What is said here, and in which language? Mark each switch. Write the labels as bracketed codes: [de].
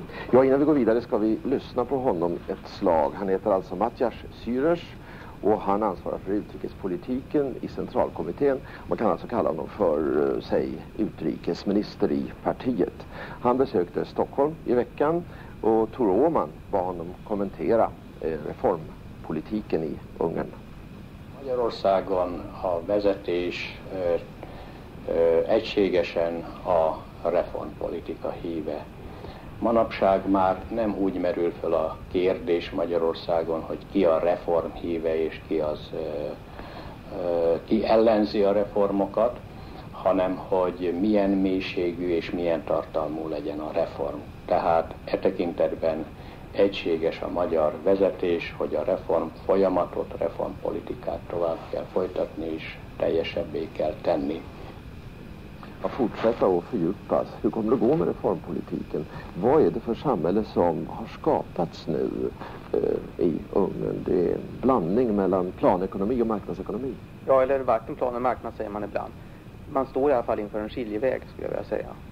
[sv] Ja, innan vi går vidare ska vi lyssna på honom ett slag. Han heter alltså Matyas Syrörs och han ansvarar för utrikespolitiken i centralkommittén. Man kan alltså kalla honom för, säg, utrikesminister i partiet. Han besökte Stockholm i veckan och Tor Åman bad honom kommentera reformpolitiken i Ungern. [hu] Magyarországon a vezetés egységesen a reformpolitika híve. Manapság már nem úgy merül föl a kérdés Magyarországon, hogy ki a reform híve és ki az, ki ellenzi a reformokat, hanem hogy milyen mélységű és milyen tartalmú legyen a reform. Tehát e tekintetben egységes a magyar vezetés, hogy a reform folyamatot, reformpolitikát tovább kell folytatni és teljesebbé kell tenni. [sv] A fortsätta och fördjupas. Hur kommer det gå med reformpolitiken? Vad är det för samhälle som har skapats nu i Ungern? Det är en blandning mellan planekonomi och marknadsekonomi. Ja, eller varken plan eller marknad, säger man ibland. Man står i alla fall inför en skiljeväg, skulle jag vilja säga.